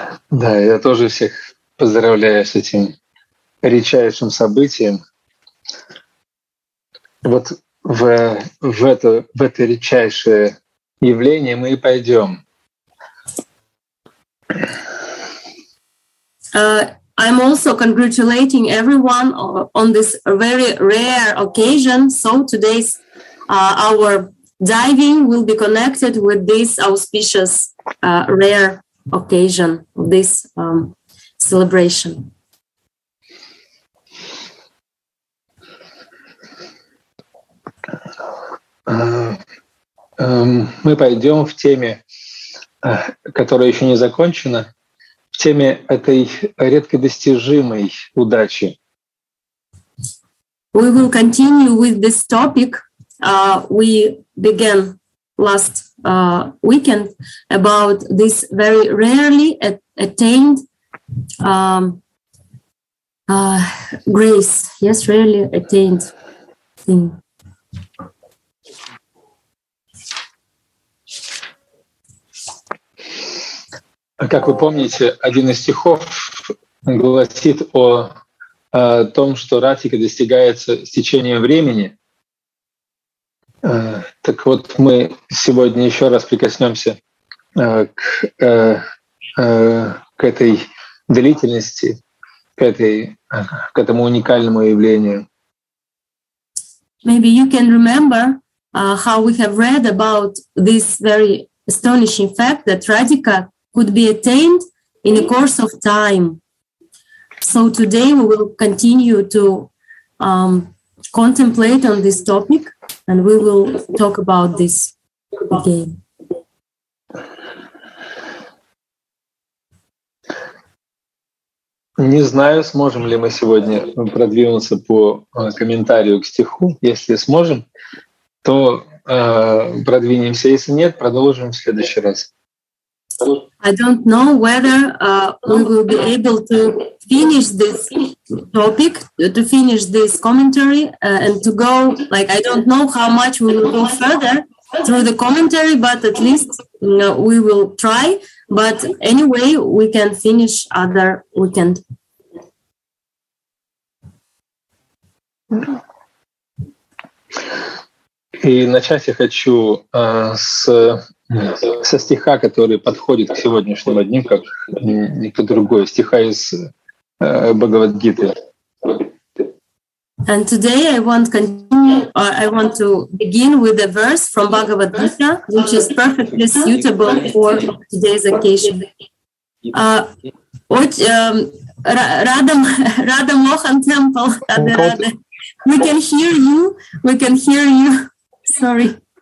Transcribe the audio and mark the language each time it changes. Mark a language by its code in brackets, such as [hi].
[ru] Да, я тоже всех поздравляю с этим редчайшим событием. Вот в это редчайшее явление мы и пойдем. [en] I'm also congratulating everyone on this very rare occasion. So today's our diving will be connected with this auspicious rare occasion of this celebration. [ru] Мы пойдем в теме, которая еще не закончена, в теме этой редкодостижимой удачи. [en] We will continue with this topic. We began last weekend about this very rarely attained grace. Yes, rarely attained thing. [ru] Как вы помните, один из стихов гласит о том, что ратика достигается с течением времени. Так вот, мы сегодня еще раз прикоснемся к этой длительности, к этому уникальному явлению. [en] Maybe you can remember how we have read about this very astonishing fact that ratika could be attained in the course of time. So today we will continue to contemplate on this topic, and we will talk about this again. [ru] Не знаю, сможем ли мы сегодня продвинуться по комментарию к стиху. Если сможем, то продвинемся. Если нет, продолжим в следующий раз. [en] I don't know whether we will be able to finish this topic, to finish this commentary, and to go, like, I don't know how much we will go further through the commentary, but at least we will try. But anyway, we can finish other weekend. [ru] И начать я хочу со стиха, который подходит к сегодняшнему дню, как никто другой, стиха из Бхагавад-гиты. [en] And today I want to begin with a verse from Bhagavad-gita, which is perfectly suitable for today's occasion. Radha Mohan Temple, Radha, we can hear you. Sorry.